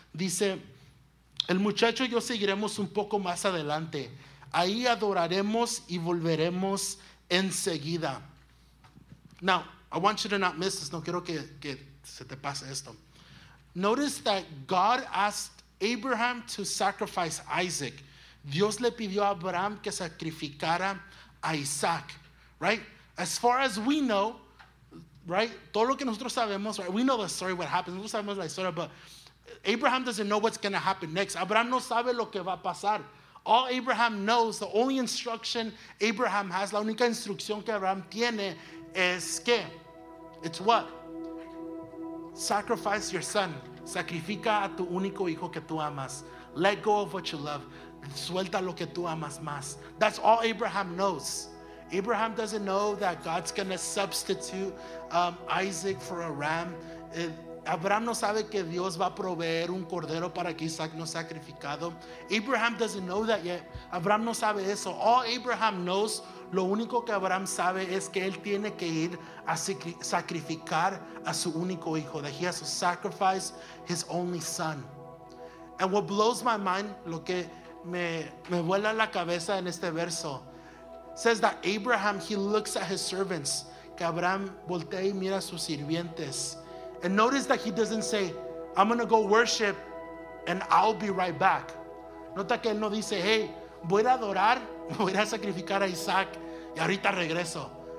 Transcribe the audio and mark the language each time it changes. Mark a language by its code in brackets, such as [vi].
[es] Dice, el muchacho y yo seguiremos un poco más adelante. Ahí adoraremos y volveremos enseguida. [en] Now, I want you to not miss this. [es] No quiero que se te pase esto. [en] Notice that God asked Abraham to sacrifice Isaac. [es] Dios le pidió a Abraham que sacrificara a Isaac, right? [en] As far as we know, right? [es] Todo lo que nosotros sabemos, [en] right? We know the story, what happens. [es] Nosotros sabemos la historia, [en] but Abraham doesn't know what's going to happen next. [es] Abraham no sabe lo que va a pasar. [en] All Abraham knows, the only instruction Abraham has, [es] la única instrucción que Abraham tiene es que, [en] it's what? Sacrifice your son. [es] Sacrifica a tu único hijo que tú amas. [en] Let go of what you love. [es] Suelta lo que tú amas más. [en] That's all Abraham knows. Abraham doesn't know that God's going to substitute Isaac for a ram. [es] Abraham no sabe que Dios va a proveer un cordero para que Isaac no sea sacrificado. [en] Abraham doesn't know that yet. [es] Abraham no sabe eso. [en] All Abraham knows, [es] lo único que Abraham sabe es que él tiene que ir a sacrificar a su único hijo. [en] That he has to sacrifice his only son. And what blows my mind, [es] lo que me vuela la cabeza en este verso, [en] says that Abraham, he looks at his servants. [es] Que Abraham voltea y mira a sus sirvientes. [en] And notice that he doesn't say, I'm going to go worship and I'll be right back. [es] Nota que él no dice, hey, voy a adorar, voy a sacrificar a Isaac y ahorita regreso.